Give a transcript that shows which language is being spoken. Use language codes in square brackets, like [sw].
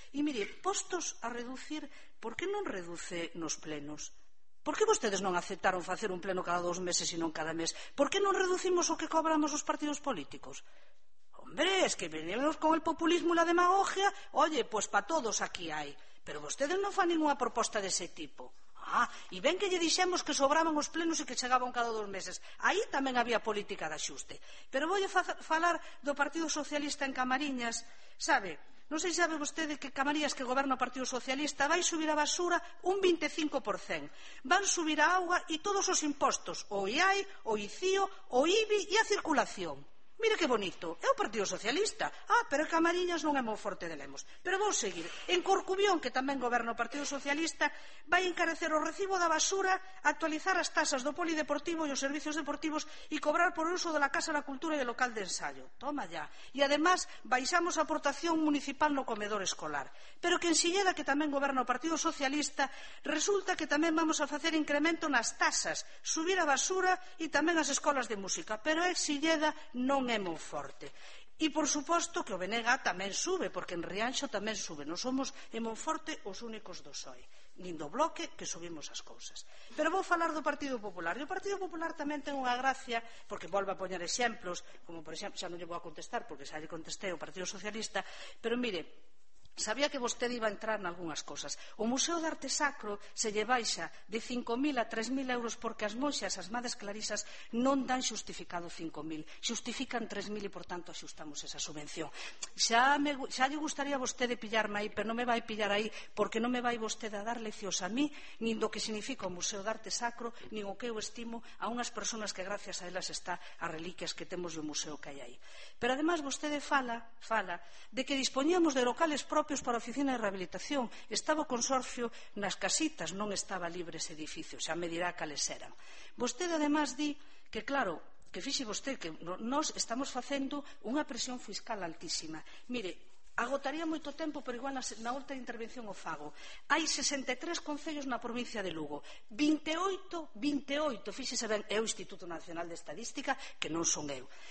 [gl] E mire, postos a reducir, por que non reduce nos plenos? Por que vostedes non aceptaron facer un pleno cada dous meses e non cada mes? Por que non reducimos o que cobramos os partidos políticos? [es] Hombre, es que venimos con el populismo e la demagogia. Oye, pues pa todos aquí hai. [gl] Pero vostedes non fan ninguna proposta dese tipo. Ah, e ben que lle dixemos que sobraban os plenos e que chegaban cada dous meses. Aí tamén había política de axuste. Pero voulle falar do Partido Socialista en Camariñas. Sabe, non sei se sabe vostede que Camariñas, que goberna o Partido Socialista, vai subir a basura un 25%. Van subir a auga e todos os impostos, o IAI, o ICIO, o IBI e a circulación. Mire que bonito, é o Partido Socialista. Ah, pero Camariñas non é Monforte de Lemos. Pero vou seguir. En Corcubión, que tamén goberna o Partido Socialista, vai encarecer o recibo da basura, actualizar as tasas do polideportivo e os servicios deportivos e cobrar por uso da Casa da Cultura e do local de ensayo. [es] Toma ya. [gl] E además, baixamos a aportación municipal no comedor escolar. Pero que en Silleda, que tamén goberna o Partido Socialista, resulta que tamén vamos a facer incremento nas tasas, subir a basura e tamén as escolas de música. Pero en Silleda non é Monforte. E por suposto que o Benega tamén sube, porque en Rianxo tamén sube. Non somos en Monforte os únicos do PSOE, nin do Bloque, que subimos as cousas. Pero vou falar do Partido Popular. E o Partido Popular tamén ten unha gracia, porque volvo a poñar exemplos, como por exemplo, xa non lle vou a contestar, porque xa lle contestei o Partido Socialista, pero mire, sabía que vostede iba a entrar en algunhas cousas. O Museo de Arte Sacro se lle baixa de 5.000 a 3.000 euros porque as monxas, as madres clarisas, non dan xustificado 5.000. Xustifican 3.000 e, por tanto, axustamos esa subvención. Xa lle gustaría vostede pillarme aí, pero non me vai pillar aí porque non me vai vostede a dar leccións a mí, nin do que significa o Museo de Arte Sacro, nin o que eu estimo a unhas persoas que gracias a elas está as reliquias que temos e o museo que hai aí. Pero, además, vostede fala de que dispoñíamos de locales propios para a oficina de rehabilitación. Estaba o consorcio nas casitas, non estaba libre ese edificio, xa me dirá cales eran. Vostede además di que, claro, que fixe vostede que nós estamos facendo unha presión fiscal altísima. Mire, agotaría moito tempo, pero igual na outra intervención o fago. Hai 63 concellos na provincia de Lugo, 28, fíxese ben, é o Instituto Nacional de Estadística, que non son eu.